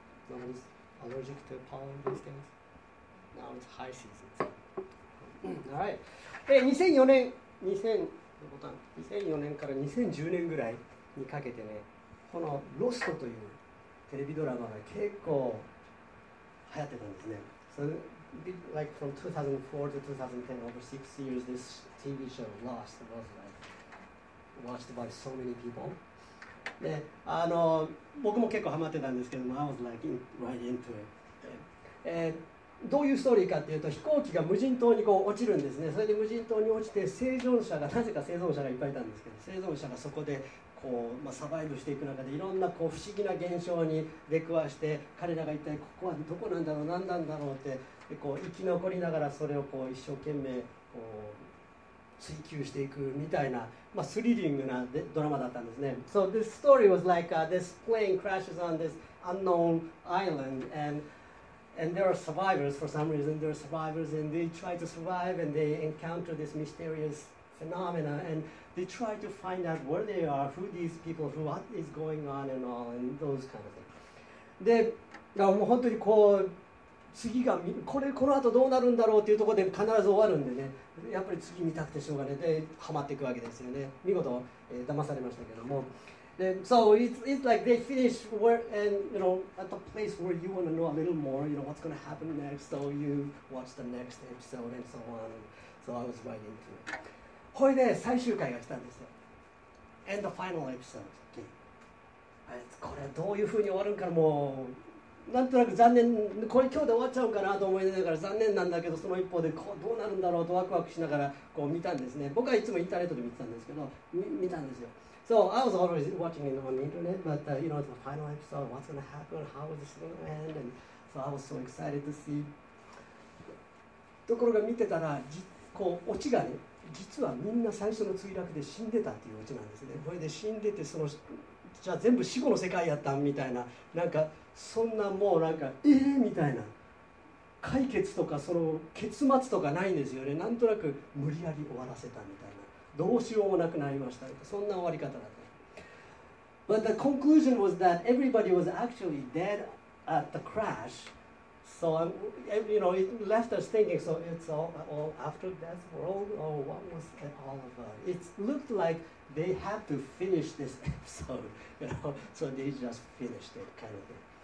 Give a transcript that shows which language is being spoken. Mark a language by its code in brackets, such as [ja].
[en] Nobody's allergic to pollen these days? Now it's high season. Alright. [ja] 2004年から2010年ぐらいにかけてね、このロストというテレビドラマが結構流行ってたんですね。 [en] So, like from 2004 to 2010, over 6 years, this TV show Lost was like watched by so many people. [ja] で、僕も結構ハマってたんですけども、 [en] I was like right into it. [ja] どういうストーリーかっていうと、飛行機が無人島にこう落ちるんですね。それで無人島に落ちて、生存者が、なぜか生存者がいっぱいいたんですけど、生存者がそこでこう、まあ、サバイブしていく中で、いろんなこう不思議な現象に出くわして、彼らが一体ここはどこなんだろう、何なんだろうって、でこう生き残りながらそれをこう一生懸命こう追求していくみたいな、まあ、スリリングなドラマだったんですね。 [en] So this story was like this plane crashes on this unknown island and there are survivors for some reason. There are survivors and they try to survive and they encounter this mysterious phenomena and they try to find out where they are, who these people, what is going on and all and those kind of things. [ja] で、もう本当にこう次が、これこの後どうなるんだろうっていうところで必ず終わるんでね、やっぱり次見たくてしょうがないでハマっていくわけですよね。見事、騙されましたけども。 [en] で、so it's like they finish where and you know at the place where you want to know a little more, you know what's going to happen next, so you watch the next episode and so on. So I was right into it. [ja] これで最終回が来たんですよ。 [en] And the final episode came. [ja] これどういう風に終わるんかもう。なんとなく残念、これ今日で終わっちゃうかなと思いながら残念なんだけど、その一方でこうどうなるんだろうとワクワクしながらこう見たんですね。僕はいつもインターネットで見てたんですけど、見たんですよ。 [en] So I was always watching it on the internet, but you know, the final episode, what's going to happen, how is this going to end, and so I was so excited to see. [ja] ところが見てたら、こうオチがね、実はみんな最初の墜落で死んでたっていうオチなんですね。これで死んでて、そのじゃあ全部死後の世界やったみたいな、なんかそんなもうなんかみたいな解決とかその結末とかないんですよね。なんとなく無理やり終わらせたみたいな、どうしようもなくなりました、そんな終わり方だった。 [en] But the conclusion was that everybody was actually dead at the crash. So you know it left us thinking, so it's all after death world or what was it all about? It looked like they had to finish this episode, you know, so they just finished it kind of thing.